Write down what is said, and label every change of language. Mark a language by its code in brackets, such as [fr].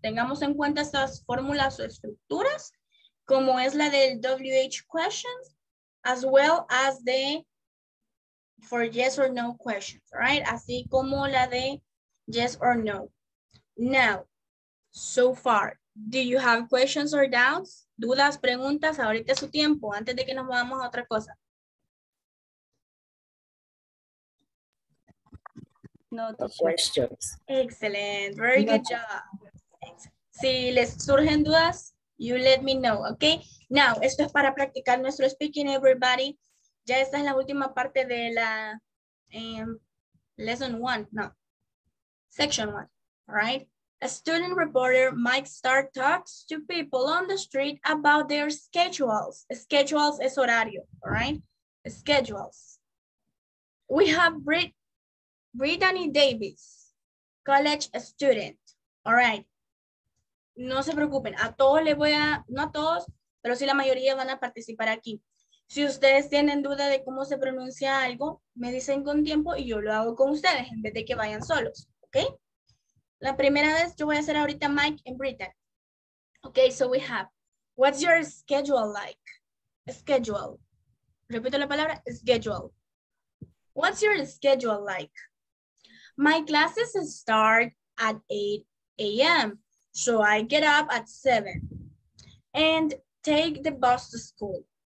[es] Tengamos en cuenta estas fórmulas o estructuras, como es la del WH questions, [en] as well as the for yes or no questions, [es] right? Así como la de yes or no. [en] Now, so far, do you have questions or doubts? [es] Dudas, preguntas, ahorita es su tiempo, antes de que nos vayamos a otra cosa. [en] No questions. Excellent, very good job. [es] Si les surgen dudas, [en] you let me know, okay? [es] Now, esto es para practicar nuestro speaking, everybody. Ya esta es la última parte de la lesson one, no. [en] Section one, right? A student reporter, Mike Starr, talks to people on the street about their schedules. [es] Schedules es horario, all right? Schedules. [en] We have Brittany Davis, college student, all right? [es] No se preocupen, a todos les voy a, no a todos, pero sí la mayoría van a participar aquí. Si ustedes tienen duda de cómo se pronuncia algo, me dicen con tiempo y yo lo hago con ustedes en vez de que vayan solos, ¿ok? La primera vez yo voy a hacer ahorita Mike en Britain. [en] Ok, so we have, what's your schedule like? Schedule. [es] Repito la palabra, [en] schedule. What's your schedule like? My classes start at 8 a.m. So I get up at 7 and take the bus to school.